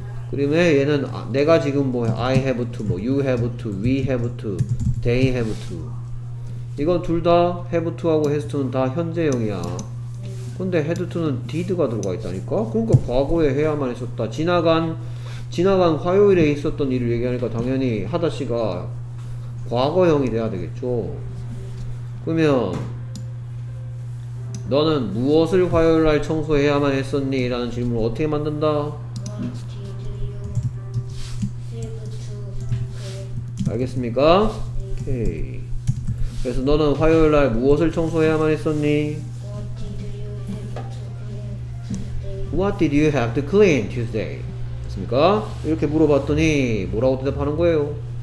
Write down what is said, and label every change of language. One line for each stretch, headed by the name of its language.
Korean: 그러면 얘는 아, 내가 지금 뭐
English: I have to
Korean: 뭐
English: you have to we have to
Korean: they have to 이건 둘 다 have to하고 has to는 다 현재형이야 근데 had to는 did가 들어가 있다니까 그러니까 과거에 해야만 했었다 지나간 화요일에 있었던 일을 얘기하니까 당연히 하다씨가 과거형이 돼야 되겠죠 그러면 너는 무엇을 화요일날 청소해야만 했었니? 라는 질문을 어떻게 만든다?
English: What did you have to do?
Korean: 알겠습니까? 오케이 그래서 너는 화요일날 무엇을 청소해야만 했었니?
English: What did you have to clean? What did you have to clean Tuesday?
Korean: 됐습니까? 이렇게 물어봤더니 뭐라고 대답하는 거예요?